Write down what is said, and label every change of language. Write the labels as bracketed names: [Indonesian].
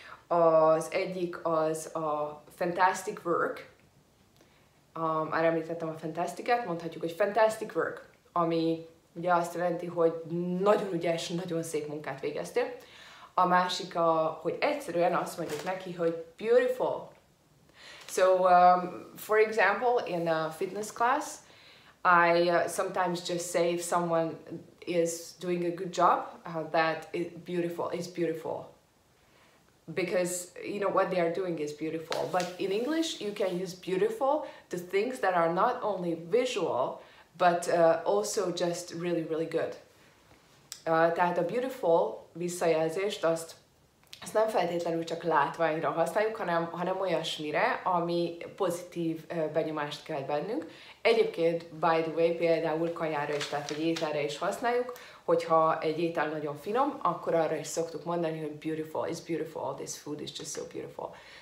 [Hungarian] Az egyik az a fantastic work. Már említettem a fantastic-et, mondhatjuk, hogy fantastic work, ami ugye azt jelenti, hogy nagyon ügyes, nagyon szép munkát végeztél. A másik, hogy egyszerűen azt mondjuk neki, hogy beautiful. [English] So, for example, in a fitness class, I sometimes just say if someone is doing a good job, that it's beautiful. Because, you know, what they are doing is beautiful. But in English, you can use beautiful to things that are not only visual, but also just really, really good. [Hungarian] Tehát a beautiful visszajelzést azt nem feltétlenül csak látványra használjuk, hanem olyasmire, ami pozitív benyomást kelt bennünk. Egyébként, [English] by the way, [Hungarian] például kajára is, tehát egy ételre is használjuk, hogyha egy étel nagyon finom, akkor arra is szoktuk mondani, hogy beautiful, [English] it's beautiful, this food is just so beautiful.